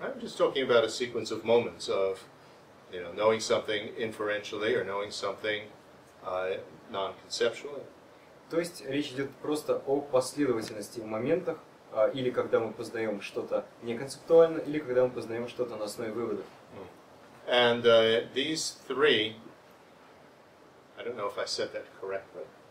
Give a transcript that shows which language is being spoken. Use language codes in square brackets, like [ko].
[en] I'm just talking about a sequence of moments of, you know, knowing something inferentially or knowing something non-conceptually. [ru] То есть речь идет просто о последовательности в моментах, или когда мы познаем что-то неконцептуально, или когда мы познаем что-то на основе выводов. [en] And these three, I don't know if I said that correctly.